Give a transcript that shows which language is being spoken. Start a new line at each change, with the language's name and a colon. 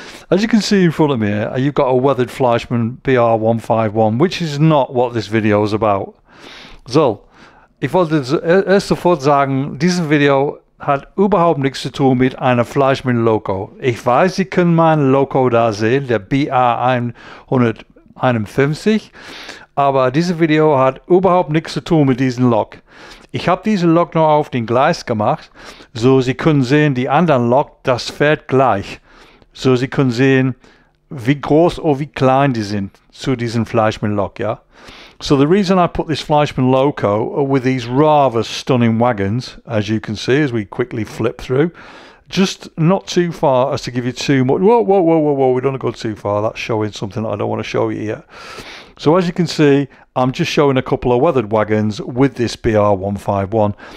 English: As you can see in front of me here, you've got a weathered Fleischmann BR151, which is not what this video is about.
German: So, ich wollte erst sofort sagen, dieses Video hat überhaupt nichts zu tun mit einer Fleischmann-Loco. Ich weiß, Sie können mein Loco da sehen, der BR181, aber dieses Video hat überhaupt nichts zu tun mit diesem Lok. Ich habe diese Lok nur auf den Gleis gemacht, so Sie können sehen, die anderen Lok, das fährt gleich. So Sie können sehen, wie groß oder wie klein die sind zu diesem Fleischmann-Lok, ja?
English: So the reason I put this Fleischmann Loco with these rather stunning wagons, as you can see, as we quickly flip through, just not too far as to give you too much. Whoa, we don't go too far. That's showing something I don't want to show you yet. So as you can see, I'm just showing a couple of weathered wagons with this BR151.